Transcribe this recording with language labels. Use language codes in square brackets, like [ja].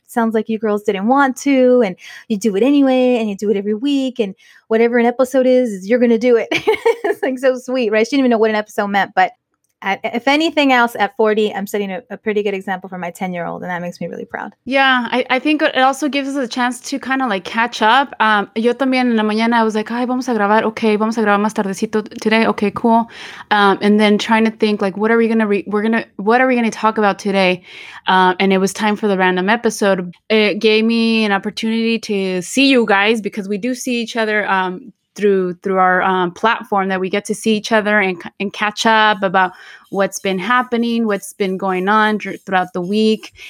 [en] Sounds like you girls didn't want to, and you do it anyway, and you do it every week, and whatever an episode is you're going to do it. It's like so sweet, right? She didn't even know what an episode meant, but if anything else, at 40, I'm setting a pretty good example for my 10-year-old, and that makes me really proud. Yeah, I think it also gives us a chance to kind of like catch up. [es] Yo también en la mañana, [en] I was like, [es] ay, vamos a grabar, okay, vamos a grabar más tardecito [en] today, [es] okay, cool. [en] And then trying to think, like, what are we going to talk about today? And it was time for the random episode. It gave me an opportunity to see you guys, because we do see each other through our platform, that we get to see each other and catch up about what's been happening, what's been going on throughout the week.